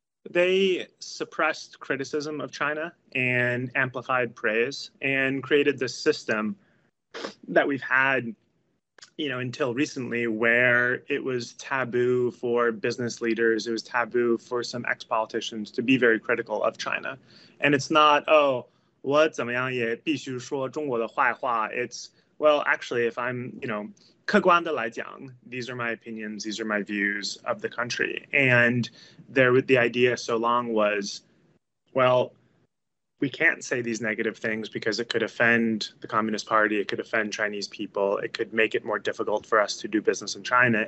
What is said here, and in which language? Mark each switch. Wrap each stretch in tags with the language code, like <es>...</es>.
<en>They suppressed criticism of China and amplified praise and created this system that we've had, you know, until recently, where it was taboo for business leaders, it was taboo for some ex-politicians to be very critical of China. And it's not, oh,</en> <zh>我怎么样也必须说中国的坏话.</zh> <en>It's, well, actually, if I'm, you know,</en> <zh>客观的来讲,</zh> <en>these are my opinions, these are my views of the country. And there, the idea so long was, well, we can't say these negative things because it could offend the Communist Party, it could offend Chinese people, it could make it more difficult for us to do business in China.</en>